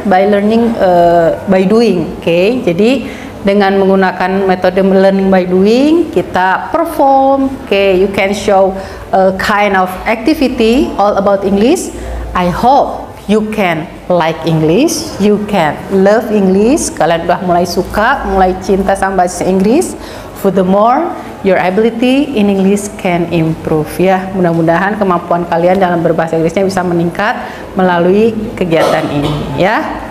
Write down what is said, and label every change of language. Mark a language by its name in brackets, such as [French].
[English] By learning, by doing, okay? [Indonesian] Jadi, dengan menggunakan metode learning by doing, kita perform, okay? [English] You can show a kind of activity all about English. I hope you can like English, you can love English. [Indonesian] Kalian udah mulai suka, mulai cinta sama bahasa Inggris. [English] Furthermore, your ability in English can improve, ya. [Indonesian] Mudah-mudahan kemampuan kalian dalam berbahasa Inggrisnya bisa meningkat melalui kegiatan ini, ya.